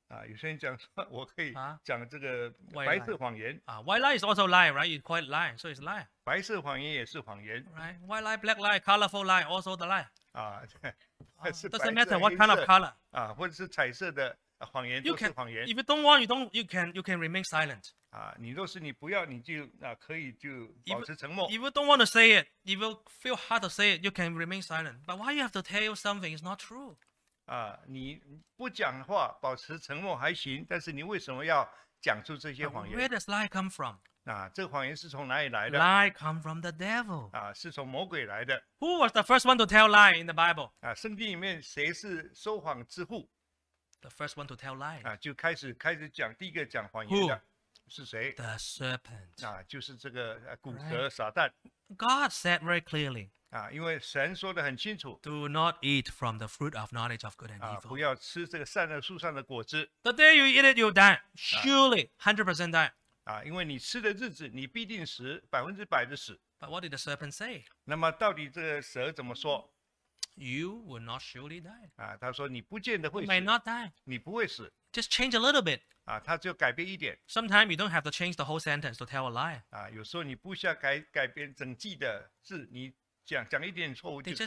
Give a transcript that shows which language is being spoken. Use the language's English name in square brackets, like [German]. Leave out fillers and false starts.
[Chinese] 有些人讲说我可以讲这个白色谎言。 [English] White lie is also lie, right? It's quite lie, so it's lie. [Chinese] 白色谎言也是谎言。 [English] Right? White lie, black lie, colorful lie, also the lie. [Chinese] 对。 [English] Doesn't matter what kind of color. [Chinese] 或者是彩色的谎言都是谎言。 [English] If you don't want, you can remain silent. [Chinese] 你若是你不要，你就可以就保持沉默。 [English] If you don't want to say it, if you feel hard to say it, you can remain silent. But why you have to tell something is not true? [Chinese] 你不讲话保持沉默还行，但是你为什么要讲出这些谎言？ [English] Where does lie come from? [Chinese] 这谎言是从哪里来的？ [English] Lie come from the devil. [Chinese] 是从魔鬼来的。 [English] Who was the first one to tell lie in the Bible? [Chinese] 圣经里面谁是说谎之父？ [English] The first one to tell lie. [Chinese] 就开始讲第一个讲谎言的。 [English] Who? [Chinese] 是谁？ [English] The serpent. [Chinese] 就是这个蛊蛇撒旦。 [English] God said very clearly. [Chinese] 因为神说得很清楚， [English] Do not eat from the fruit of knowledge of good and evil. [Chinese] 不要吃这个善恶树上的果子。 [English] The day you eat it, you die. Surely, 100% die. [Chinese] 因为你吃的日子，你必定死，百分之百的死。 [English] But what did the serpent say? [Chinese] 那么到底这个蛇怎么说？ [English] You will not surely die. [Chinese] 他说你不见得会死。 [English] You may not die. [Chinese] 你不会死。 [English] Just change a little bit. [Chinese] 他就改变一点。 [English] Sometimes you don't have to change the whole sentence to tell a lie. [Chinese] 有时候你不需要 改变整句的字，你讲一点错误就可以。